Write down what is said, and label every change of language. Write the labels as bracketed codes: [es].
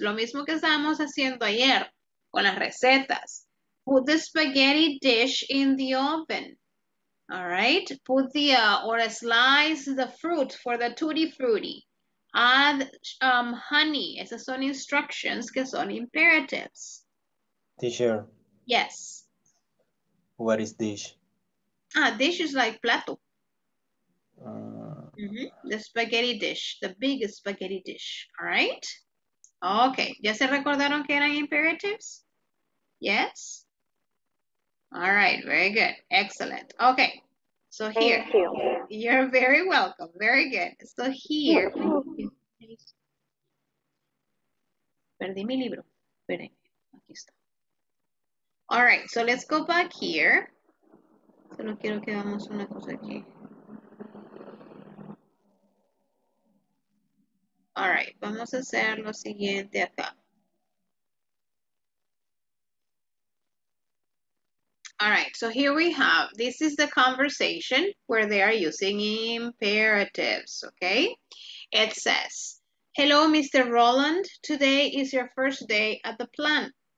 [es] Lo mismo que estábamos haciendo ayer con las recetas. [en] Put the spaghetti dish in the oven, all right? Put the, or slice the fruit for the tutti frutti. Add honey. [es] Esas son instructions que son imperatives. [en] Teacher. Yes. What is dish? Ah, dish is like plato. Mm-hmm. The spaghetti dish, the big spaghetti dish, all right? [es] Okay, ¿ya se recordaron que eran imperatives? Yes. [en] All right, very good. Excellent. Okay, so here. Thank you. You're very welcome. Very good. So here. [es] Perdí mi libro. Aquí está. [en] All right, so let's go back here. [es] Solo quiero que hagamos una cosa aquí. [en] All right, [es] vamos a hacer lo siguiente acá. [en] All right, so here we have, this is the conversation where they are using imperatives, okay? It says, hello, Mr. Roland. Today is your first day at the plant.